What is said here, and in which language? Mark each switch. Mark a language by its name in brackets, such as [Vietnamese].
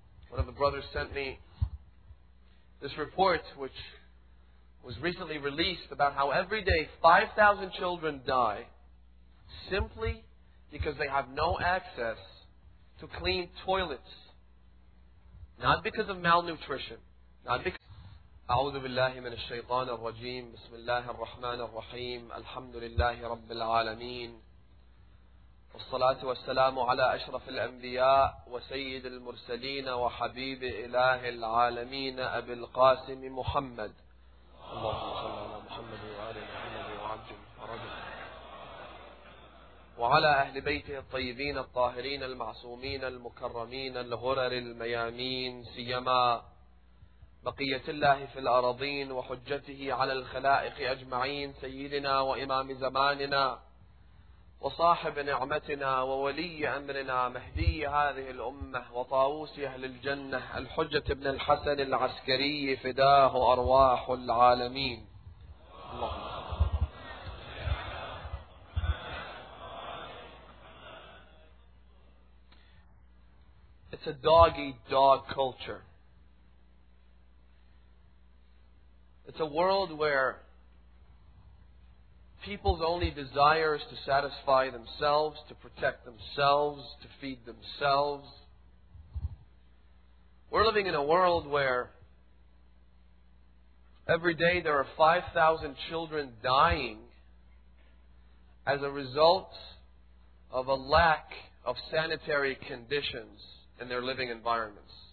[English] One of the brothers sent me this report, which was recently released, about how every day 5,000 children die simply because they have no access to clean toilets. Not because of malnutrition. Not because... [Arabic] أعوذ بالله من الشيطان الرجيم بسم الله الرحمن الرحيم الحمد لله رب العالمين والصلاة والسلام على أشرف الأنبياء وسيد المرسلين وحبيب إله العالمين أبي القاسم محمد اللهم صل على محمد وآل محمد وعجل ورجل وعلى أهل بيته الطيبين الطاهرين المعصومين المكرمين الغرر الميامين سيما بقية الله في الأراضين وحجته على الخلائق أجمعين سيدنا وإمام زماننا وصاحب نعمتنا وولي أمرنا مهدي هذه الأمة وطاووس أهل الجنة الحجة ابن الحسن العسكري فداه أرواح العالمين اللهم [English] It's a dog-eat-dog culture. It's a world where people's only desire is to satisfy themselves, to protect themselves, to feed themselves. We're living in a world where every day there are 5,000 children dying as a result of a lack of sanitary conditions in their living environments.